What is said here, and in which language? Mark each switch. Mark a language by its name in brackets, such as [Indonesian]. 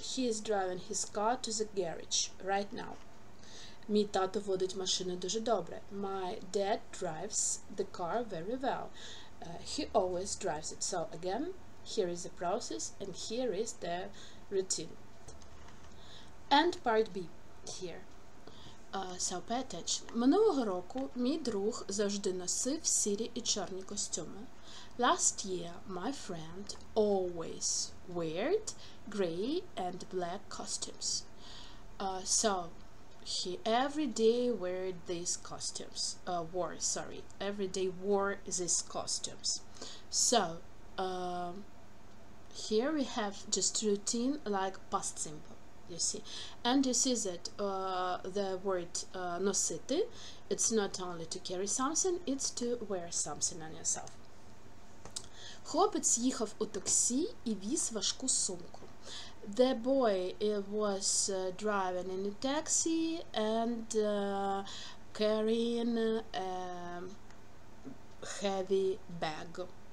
[English] He is driving his car to the garage right now. [Ukrainian] Мій тато водить машину дуже добре. [English] My dad drives the car very well. He always drives it. So again, here is the process and here is the routine. And part B here. So pay attention. [Ukrainian] Минулого року мій друг завжди носив сірі і чорні костюми. [English] Last year, my friend always wore gray and black costumes. So he every day wore these costumes. Every day wore these costumes. So here we have just routine like past simple. You see, and you see that the word носити, it's not only to carry something, it's to wear something on yourself. [Ukrainian] Хлопець їхав у таксі і віз важку сумку. [English] The boy was driving in a taxi and carrying a heavy bag.